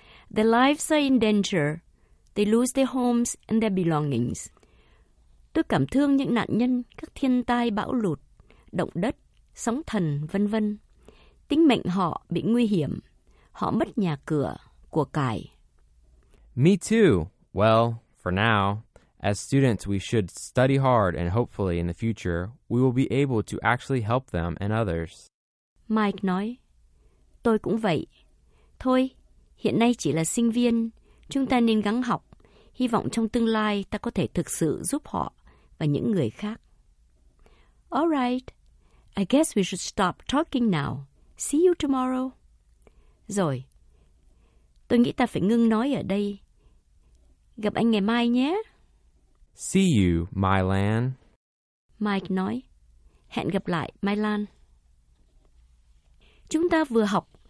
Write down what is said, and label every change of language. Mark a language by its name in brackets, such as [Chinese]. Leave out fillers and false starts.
[English] Their lives are in danger. They lose their homes and their belongings. [Vietnamese] Tôi cảm thương những nạn nhân các thiên tai bão lụt, động đất, sóng thần, vân vân. Tính mệnh họ bị nguy hiểm. Họ mất nhà cửa, của cải. [English] Me too. Well, for now, as students we should study hard and hopefully in the future we will be able to actually help them and others. [Vietnamese] Mike nói, tôi cũng vậy. Thôi, hiện nay chỉ là sinh viên, chúng ta nên gắng học. Hy vọng trong tương lai ta có thể thực sự giúp họ và những người khác. [English] All right, I guess we should stop talking now. See you tomorrow. [Vietnamese] Rồi, tôi nghĩ ta phải ngưng nói ở đây. Gặp anh ngày mai nhé. [English] See you, My Lan. [Vietnamese] Mike nói, hẹn gặp lại, My Lan. Chúng ta vừa học